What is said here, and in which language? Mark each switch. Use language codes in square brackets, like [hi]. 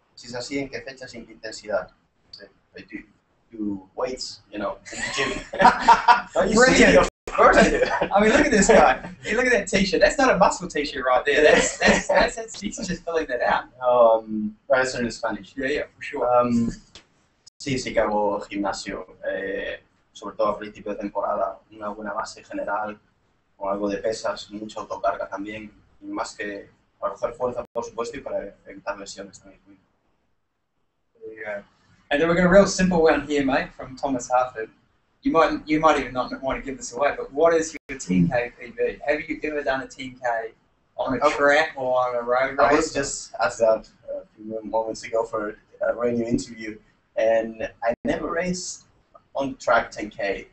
[es] Si es así, ¿en qué fechas y en qué intensidad? [en] I do weights, you know, in the gym. Brilliant. course. I mean, look at this guy. Hey, look at that t-shirt. That's not a muscle t-shirt right there. That's he's just filling that out. That's in Spanish. Yeah, for sure. [es] Sí, sí que hago gimnasio, sobre todo a principio de temporada, una buena base general, con algo de pesas, mucha autocarga también, y más que para hacer fuerza, por supuesto, y para evitar lesiones también. [en] There you go. And then we're going to a real simple one here, mate, from Thomas Harford. You might even not want to give this away, but what is your 10K PB? Have you ever done a 10K on a track or on a road race? I was just asked that a few moments ago for a radio interview, and I never race on track 10K.